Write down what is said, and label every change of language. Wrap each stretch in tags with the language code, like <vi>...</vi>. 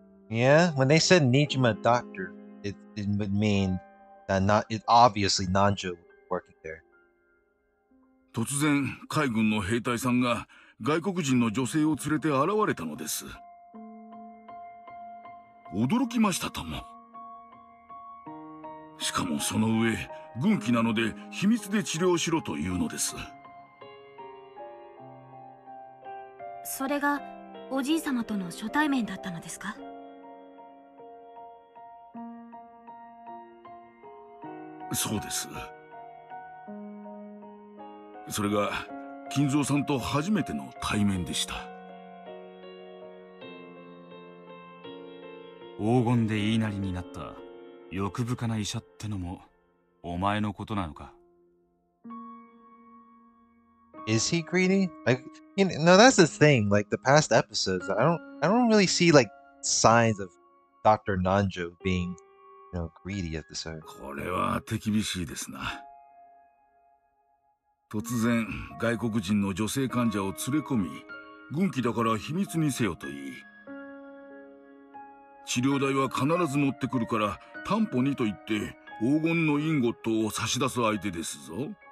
<en>Yeah, when they said Niijima doctor, it would mean that obviously Nanjo was working there.</en> <ja>突然, 海軍の兵隊さんが外国人の女性を連れて現れたのです. 驚きましたとも. しかもその上軍機なので秘密で治療しろというのです。それがおじい様との初対面だったのですか。そうです。それが金蔵さんと初めての対面でした。黄金で言いなりになった欲深な医者ってのもお前のことなのか。</ja> <en>Is he greedy? That's the thing. Like the past episodes, I don't really see like signs of Dr. Nanjo being, you know, greedy at this time.</en> <ja>これは手厳しいですな。突然外国人の女性患者を連れ込み、軍機だから秘密にせよと言い、治療代は必ず持ってくるから担保にと言って黄金のインゴットを差し出す相手ですぞ。</ja>